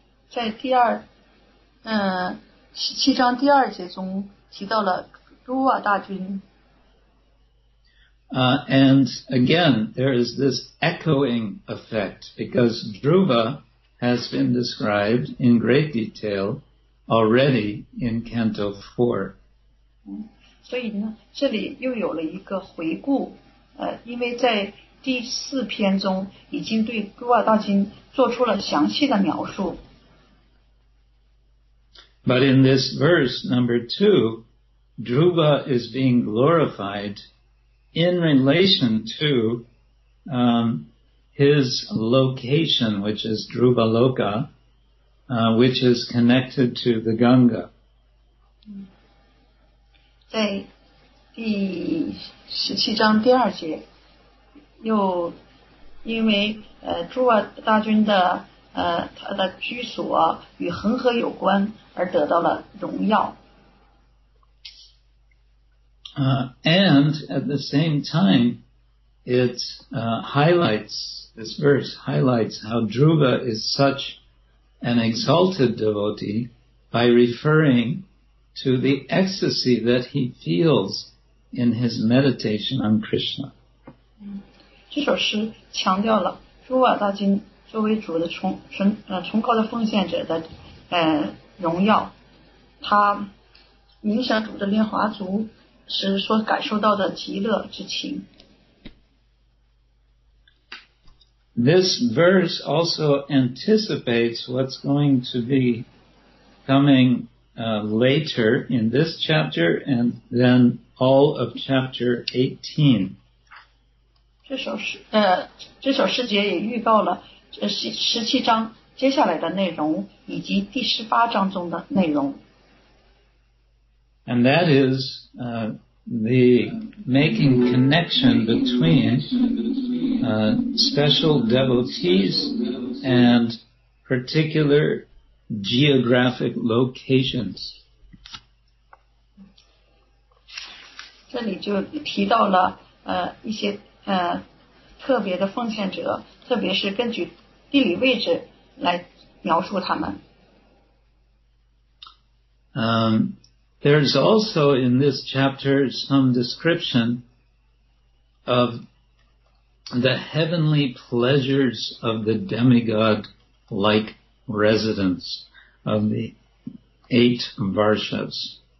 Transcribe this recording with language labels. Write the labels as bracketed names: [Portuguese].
[Chinese] 在第二，七章第二节中提到了朱瓦大君。 [English] And again, there is this echoing effect because Dhruva has been described in great detail already in Canto 4. [Chinese] 所以呢，这里又有了一个回顾，因为在第四篇中已经对朱瓦大君做出了详细的描述。 [English] But in this verse, number 2, Dhruva is being glorified in relation to his location, which is Dhruva Loka, which is connected to the Ganga. [Chinese] 在第十七章第二节，又因为朱瓦大君的他的居所与恒河有关而得到了荣耀。 [English] And at the same time, it highlights, this verse highlights how Dhruva is such an exalted devotee by referring to the ecstasy that he feels in his meditation on Krishna. [Chinese] 这首诗强调了朱瓦大君作为主的崇高的奉献者的荣耀，他冥想主的莲华足时所感受到的极乐之情。 [English] This verse also anticipates what's going to be coming later in this chapter and then all of chapter 18. [Chinese] 这首诗节也预告了17章接下来的内容以及第18章中的内容。 [English] And that is the making connection between special devotees and particular geographic locations. [Chinese] 这里就提到了一些特别的奉献者，特别是根据地理位置来描述他们。 [English] There's also in this chapter some description of the heavenly pleasures of the demigod-like residence of the eight varshas.